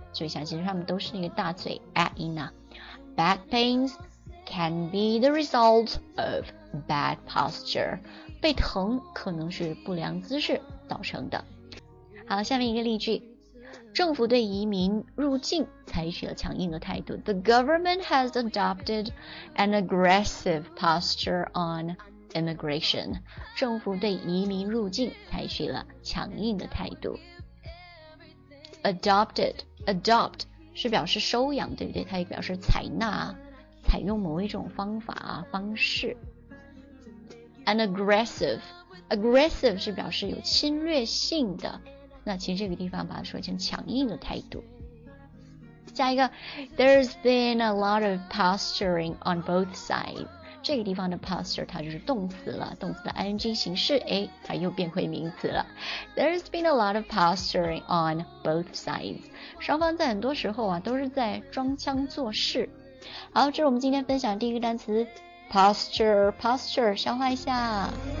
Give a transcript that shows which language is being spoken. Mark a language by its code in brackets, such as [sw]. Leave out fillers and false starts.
[zh] 所以想，其实他们都是那个大嘴 a 音呐。 [en] Back pains can be the result of bad posture， [zh] 背疼可能是不良姿势造成的。好，下面一个例句，政府对移民入境采取了强硬的态度。 [en] The government has adopted an aggressive posture on immigration。 [zh] 政府对移民入境采取了强硬的态度。 [en] Adopted。 [zh] Adopt 是表示收养，对不对？它也表示采纳，采用某一种方法啊，方式。 [en] An aggressive [zh] 是表示有侵略性的，那其实这个地方把它说成强硬的态度。下一个， [en] There's been a lot of posturing on both sides。 [zh] 这个地方的 posture 它就是动词了，动词的 ing 形式，哎，它又变回名词了。 [en] There's been a lot of posturing on both sides。 [zh] 双方在很多时候啊，都是在装腔作势。好，这是我们今天分享第一个单词 posture，posture 消化一下。